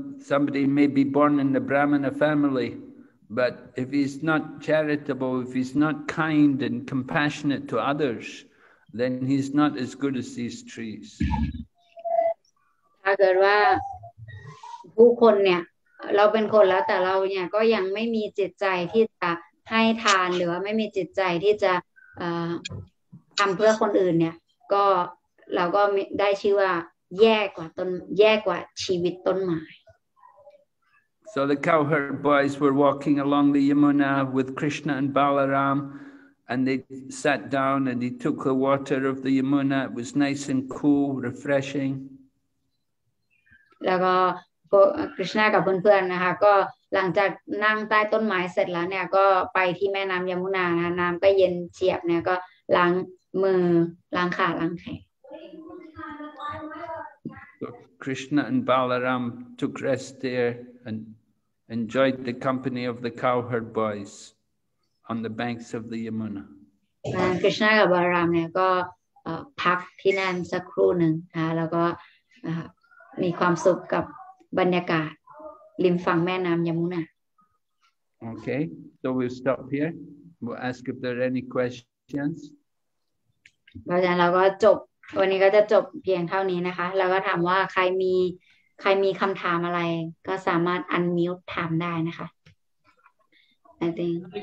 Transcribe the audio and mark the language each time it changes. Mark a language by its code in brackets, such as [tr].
[en] Somebody may be born in the Brahmana family, but if he's not charitable, if he's not kind and compassionate to others, then he's not as good as these trees. [th] ถ้าเกิดว่าผู้คนเนี่ยเราเป็นคนแล้วแต่เราเนี่ยก็ยังไม่มีจิตใจที่จะให้ทานหรือว่าไม่มีจิตใจที่จะทำเพื่อคนอื่นเนี่ยก็เราก็ได้ชื่อว่าแย่กว่าชีวิตต้นไม้ [en] So the cowherd boys were walking along the Yamuna with Krishna and Balaram and they sat down and he took the water of the Yamuna it was nice and cool refreshing [th] แล้วก็พวก Krishna กับเพื่อนๆนะคะก็หลังจากนั่งใต้ต้นไม้เสร็จแล้วเนี่ยก็ไปที่แม่น้ํายมุนานะน้ําก็เย็นเฉียบเนี่ยก็ล้างมือล้างขาล้างแขน [en] Krishna and Balaram took rest there and enjoyed the company of the cowherd boys on the banks of the Yamuna. [th] Krishna and Balaram เนี่ยก็พักที่นั่นสักครู่หนึ่งนะแล้วก็มีความสุขกับบรรยากาศริมฝั่งแม่น้ำยมุนา [en] Okay, so we'll stop here. We'll ask if there are any questions. [th] เพราะฉะนั้นเราก็จบวันนี้ก็จะจบเพียงเท่านี้นะคะแล้วก็ถามว่าใครมีคำถามอะไรก็สามารถ unmute ถามได้นะคะ [en] I think